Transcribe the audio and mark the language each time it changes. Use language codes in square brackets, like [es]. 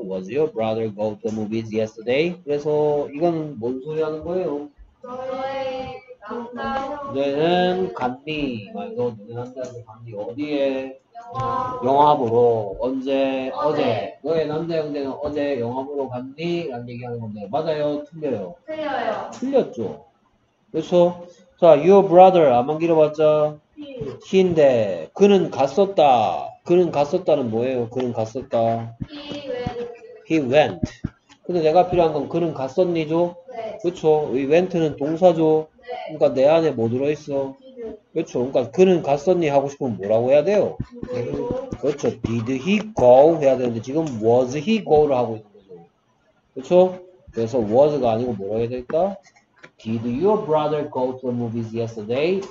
[en] Was your brother go to the movies yesterday? [ko] 그래서 이건 뭔 소리 하는 거예요? 너는 갔니? 너 너는 남자들 갔니? 어디에? 영화 보러 언제? 어제. 너의 남자 형제는 어제 영화 보러 갔니? 라는 얘기하는 건데 맞아요? 틀려요? 틀려요. 틀렸죠. 그래서 자, your brother 안만 길어봤자 he인데 그는 갔었다. 그는 갔었다는 뭐예요? 그는 갔었다. [en] He went. He went. [ko] 근데 내가 필요한 건 그는 갔었니죠? 네. 그렇죠. 이 went는 동사죠. 네. 그러니까 내 안에 뭐 들어 있어? 그렇죠. 그러니까 그는 갔었니 하고 싶으면 뭐라고 해야 돼요? 그렇죠. [en] Did he go [ko] 해야 되는데 지금 [en] was he go [ko] 를 하고 있는 거죠. 그렇죠? 그래서 was가 아니고 뭐라고 해야 될까? [en] Did your brother go to the movies yesterday?